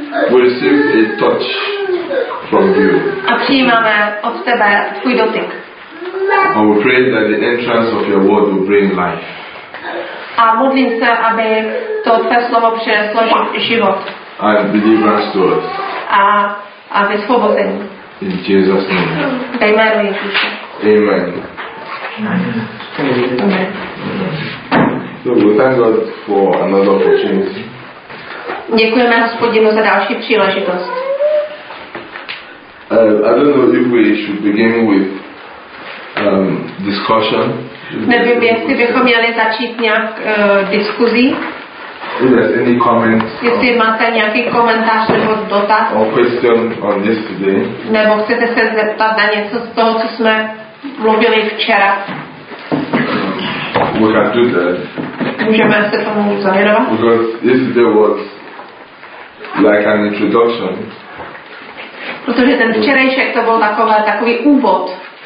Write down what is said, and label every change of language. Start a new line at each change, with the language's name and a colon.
English: We receive a touch from you.
Czech: A přijímáme od tebe tvůj dotyk.
English: I will pray that the entrance of your word will bring life.
Czech: A modlím se, aby to tvé slovo přineslo život.
English: And deliver us to us.
Czech: A vysvobození.
English: In Jesus' name.
Czech: Ve jménu Ježíše.
English: Amen. So we thank God for another opportunity.
Czech: Děkujeme Hospodinu za další příležitost.
English: I don't know if we should begin with discussion.
Czech: Nevím, jestli bychom měli začít nějak diskuzí.
English: If there's any comments.
Czech: Jestli máte nějaký komentář nebo dotaz.
English: Or question on this today.
Czech: Nebo chcete se zeptat na něco z toho, co jsme mluvili včera.
English: We can do that.
Czech: Můžeme se tomu zahrnovat.
English: Because yesterday was like an introduction.
Czech: Protože ten včerejšek to byl takový úvod.